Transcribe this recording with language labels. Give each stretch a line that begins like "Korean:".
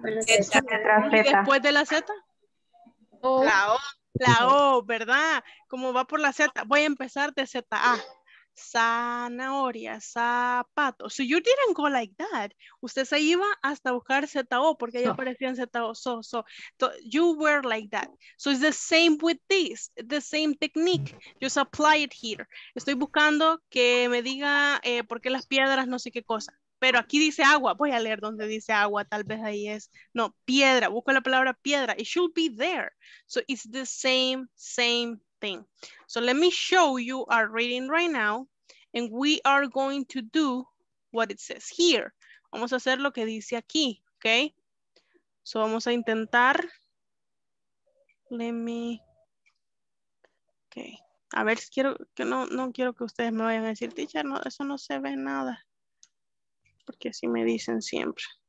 Spanish: ¿Y después de la Z? La O. La O, ¿verdad? Como va por la Z, voy a empezar de Z A. Zanahoria, zapato.
English: So you didn't go like that.
Spanish: Usted se iba hasta buscar ZO porque ya aparecían ZO.
English: So you were like that. So it's the same with this, the same technique. Just apply it here.
Spanish: Estoy buscando que me diga por qué las piedras, no sé qué cosa. Pero aquí dice agua. Voy a leer donde dice agua. Tal vez ahí es. No, piedra. Busco la palabra piedra.
English: It should be there. So it's the same thing. So let me show you our reading right now, and we are going to do what it says here.
Spanish: Vamos a hacer lo que dice aquí, okay? So vamos a intentar.
English: Let me.
Spanish: Okay. A ver, quiero que no quiero que ustedes me vayan a decir, teacher, no, eso no se ve nada, porque así me dicen siempre.